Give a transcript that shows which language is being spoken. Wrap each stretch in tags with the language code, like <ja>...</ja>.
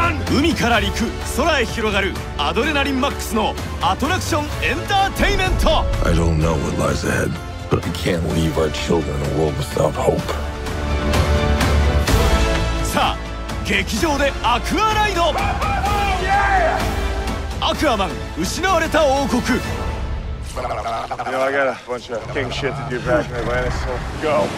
<ja>海から陸、空へ広がるアドレナリンマックスのアトラクションエンターテイメント。</ja> <en>I don't know what lies ahead, but I can't leave our children in a world without hope.</en> <ja>さあ、劇場でアクアライド。アクアマン、失われた王国。</ja> <en>You know, I got a bunch of king shit to do back in Atlantis, so go.</en>